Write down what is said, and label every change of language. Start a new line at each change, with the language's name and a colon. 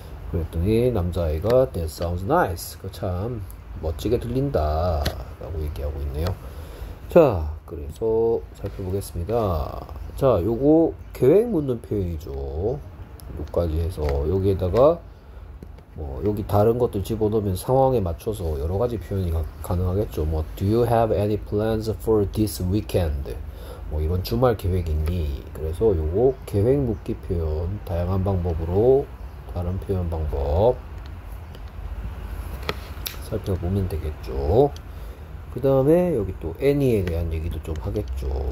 Korean: 그랬더니 남자아이가
English: That sounds nice.
Korean: 그참 멋지게 들린다. 라고 얘기하고 있네요. 자, 그래서 살펴보겠습니다. 자, 요거 계획 묻는 표현이죠. 요까지 해서 여기에다가 뭐, 여기 다른 것들 집어넣으면 상황에 맞춰서 여러 가지 표현이 가능하겠죠.
English: 뭐, Do you have any plans for this weekend?
Korean: 뭐 이번 주말 계획 있니? 그래서 요거 계획 묻기 표현 다양한 방법으로 다른 표현 방법 살펴보면 되겠죠. 그 다음에 여기 또 any에 대한 얘기도 좀 하겠죠.